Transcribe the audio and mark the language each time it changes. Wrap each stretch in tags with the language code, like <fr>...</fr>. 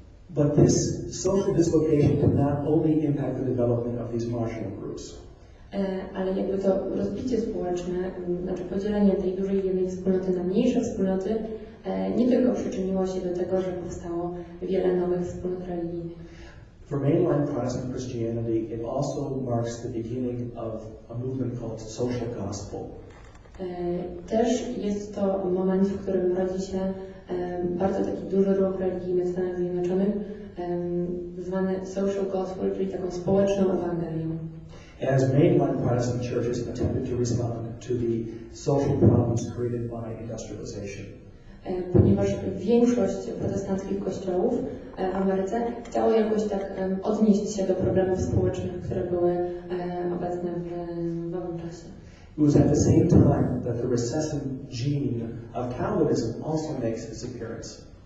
<en>But this social dislocation did not only impact the development of these marginal groups.</en> <pl>Ale jakby to rozbicie społeczne, znaczy podzielenie tej dużej jednej wspólnoty na mniejsze wspólnoty, nie tylko przyczyniło się do tego, że powstało wiele nowych wspólnot religijnych.</pl> <en>For mainline Protestant Christianity, it also marks the beginning of a movement called social gospel.</en> <pl>Też jest to moment, w którym rodzi się bardzo taki duży ruch religijny w Stanach Zjednoczonych, zwane social gospel, czyli taką społeczną ewangelią.</pl> <en>As mainline Protestant churches attempted to respond to the social problems created by industrialization.</en> <pl>Ponieważ większość protestanckich kościołów w Ameryce chciało jakoś tak odnieść się do problemów społecznych, które były obecne w owym czasie.</pl> <en>It was at the same time that the recessive gene of Calvinism also makes its appearance.</en>